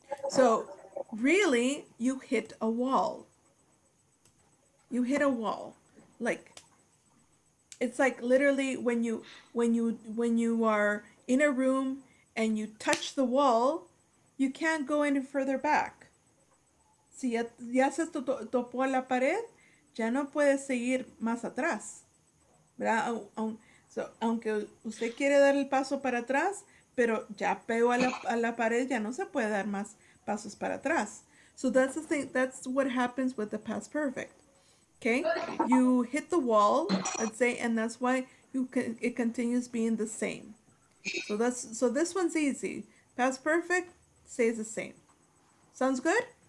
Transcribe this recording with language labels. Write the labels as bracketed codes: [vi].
[en] So really, you hit a wall. You hit a wall. Like, it's like literally when you are in a room and you touch the wall, you can't go any further back. [es] Si ya se topó la pared, ya no puede seguir más atrás. ¿Verdad? So, aunque usted quiere dar el paso para atrás, pero ya pegó a la pared, ya no se puede dar más pasos para atrás. [en] So that's the thing, that's what happens with the past perfect. Okay? You hit the wall, let's say, and that's why it continues being the same. So this one's easy. Past perfect stays the same. Sounds good?